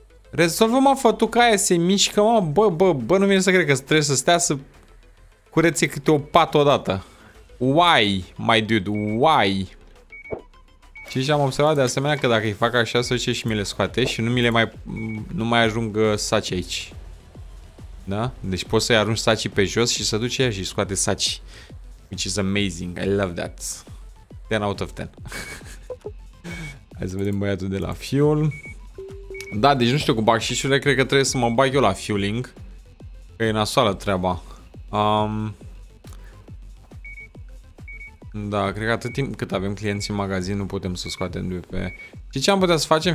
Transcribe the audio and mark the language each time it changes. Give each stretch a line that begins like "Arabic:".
Romanian: Rezolvă-mă, fătuca aia se mișcă, mă, bă, nu vine să cred că trebuie să stea să curețe câte o pată odată.
English: Why, my dude, why?
Romanian: Și am observat de asemenea că dacă îi fac așa, să zice și mi le scoate și nu mai ajung saci aici. Da? Deci poți să-i arunci saci pe jos și să duce și scoate saci.
English: Which is amazing, I love that. 10 out of 10.
Romanian: Hai să vedem băiatul de la fuel. Da, deci nu știu, cu bacșișurile cred că trebuie să mă bag eu la fueling. Că e nasoală treaba. Da, cred că atât timp cât avem clienți în magazin nu putem să scoatem de pe... Și ce am putea să facem?